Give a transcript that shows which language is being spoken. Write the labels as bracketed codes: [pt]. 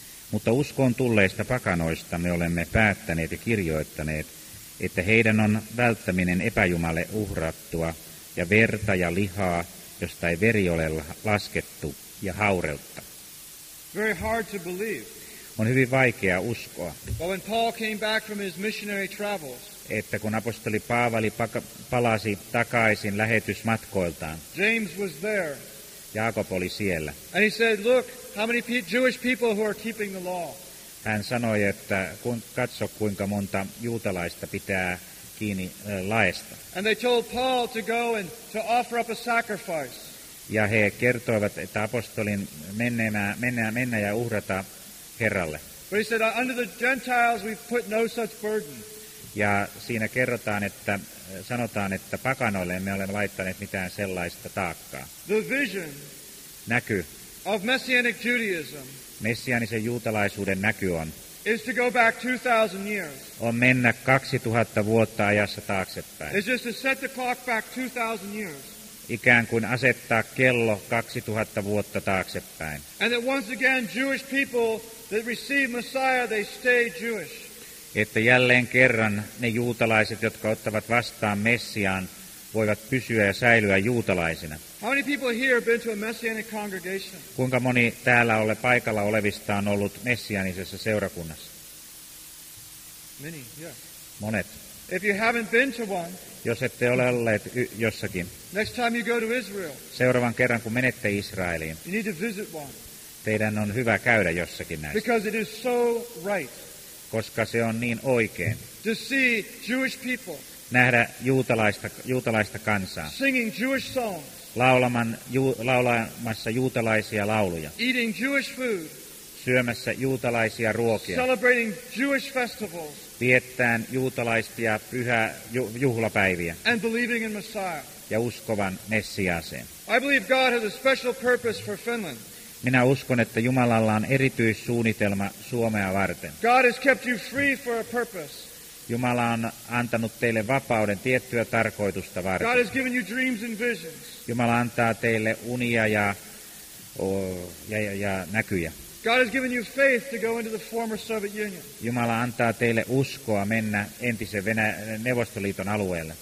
[fi] Mutta uskoon tulleista pakanoista me olemme päättäneet ja kirjoittaneet, että heidän on välttäminen epäjumalle uhrattua ja verta ja lihaa, josta ei veri ole laskettu, ja haureutta. [en] Very hard to believe. [fi] On hyvin vaikea uskoa. [en] But when Paul came back from his missionary travels, [fi] että kun apostoli Paavali palasi takaisin lähetysmatkoiltaan. [en] James was there. [fi] Jaakob oli siellä. [en] And he said, look, how many Jewish people who are keeping the law. [fi] Hän sanoi, että katso kuinka monta juutalaista pitää kiinni laista. [en] And they told Paul to go and to offer up a sacrifice. [fi] Ja he kertoivat, että apostolin mennä ja uhrata Herralle. [en] But he said, under the Gentiles we put no such burden. [fi] Ja siinä sanotaan, että pakanoille emme ole laittaneet mitään sellaista taakkaa. [en] The vision [fi] näky [en] of messianic Judaism. [fi] Messiaanisen juutalaisuuden näky on. [en] Is to go back 2000 years. [fi] On mennä 2000 vuotta ajassa taaksepäin. [en] Is just to set the clock back 2000 years. [fi] Ikään kuin asettaa kello 2000 vuotta taaksepäin. [en] And that once again Jewish people that receive Messiah they stay Jewish. [fi] Että jälleen kerran ne juutalaiset, jotka ottavat vastaan Messiaan, voivat pysyä ja säilyä juutalaisina. [en] How many people here have been to a messianic congregation? [fi] Kuinka moni täällä paikalla olevista on ollut messianisessa seurakunnassa? [en] Many, yes. [fi] Monet. [en] If you haven't been to one, [fi] jos ette ole olleet jossakin, [en] next time you go to Israel, [fi] seuraavan kerran kun menette Israeliin, [en] you need to visit one. [fi] Teidän on hyvä käydä jossakin näissä. [en] Because it is so right. [fi] Koska se on niin oikein. [en] To see Jewish people. [fi] Nähdä juutalaista kansaa. [en] Singing Jewish songs. [fi] Laulamassa juutalaisia lauluja. [en] Eating Jewish food. [fi] Syömässä juutalaisia ruokia. [en] Celebrating Jewish festivals. [fi] Viettään juutalaisia juhlapäiviä. [en] And believing in Messiah. [fi] Ja uskovan Messiaaseen. [en] I believe God has a special purpose for Finland. [fi] Minä uskon, että Jumalalla on erityissuunnitelma Suomea varten. [en] God has kept you free for a purpose. [fi] Jumala on antanut teille vapauden tiettyä tarkoitusta varten. [en] God has given you dreams and visions. [fi] Jumala antaa teille unia ja näkyjä. [en] God has given you faith to go into the former Soviet Union. [fi] Jumala antaa teille uskoa mennä entisen Neuvostoliiton alueelle.